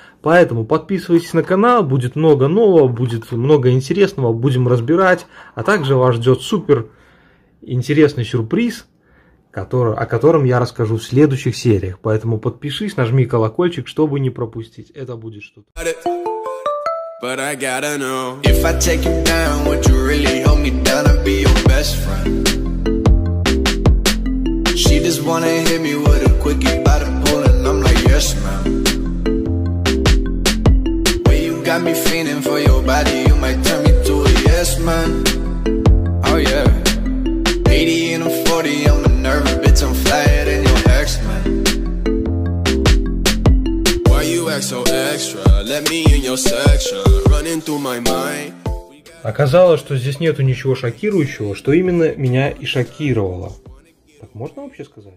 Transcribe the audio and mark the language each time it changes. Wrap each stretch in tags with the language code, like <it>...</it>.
<ru>Поэтому подписывайтесь на канал, будет много нового, будет много интересного, будем разбирать. А также вас ждет супер интересный сюрприз, о котором я расскажу в следующих сериях. Поэтому подпишись, нажми колокольчик, чтобы не пропустить. Это будет что-то.</ru> <en>But I gotta know, if I take you down, would you really hold me down and be your best friend? She just wanna hit me with a quickie by the pool and I'm like, yes ma'am. When you got me feeling for your body, you might turn me to a yes man. Oh yeah. 80 and a 40, I'm a nervous bitch, I'm flyer than your ex man. Why you act so extra? Let me in your section. Running through my mind.</en> <ru>Оказалось, что здесь нету ничего шокирующего, что именно меня и шокировало. Так можно вообще сказать?</ru>